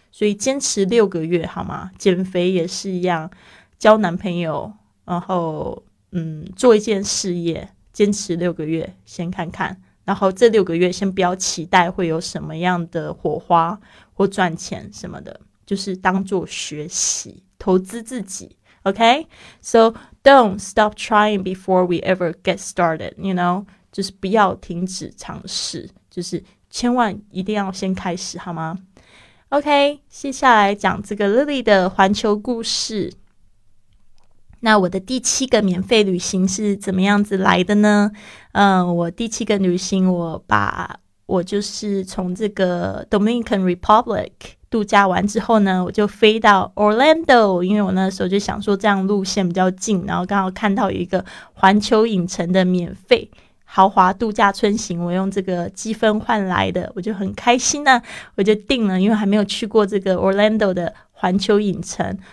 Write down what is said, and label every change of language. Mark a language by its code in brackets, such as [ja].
[zh] 所以坚持六个月好吗？减肥也是一样，交男朋友，然后做一件事业，坚持六个月先看看，然后这六个月先不要期待会有什么样的火花或赚钱什么的，就是当作学习投资自己。 [en] OK, So don't stop trying before we ever get started, you know, 就是不要停止尝试，就是千万一定要先开始好吗？ [zh] OK, 接下来讲这个 Lily 的环球故事。那我的第七个免费旅行是怎么样子来的呢？我第七个旅行，我就是从这个 Dominican Republic 度假完之后呢，我就飞到 Orlando, 因为我那时候就想说这样路线比较近，然后刚好看到一个环球影城的免费豪华度假村行，我用这个积分换来的，我就很开心呢，我就订了，因为还没有去过这个 Orlando 的环球影城。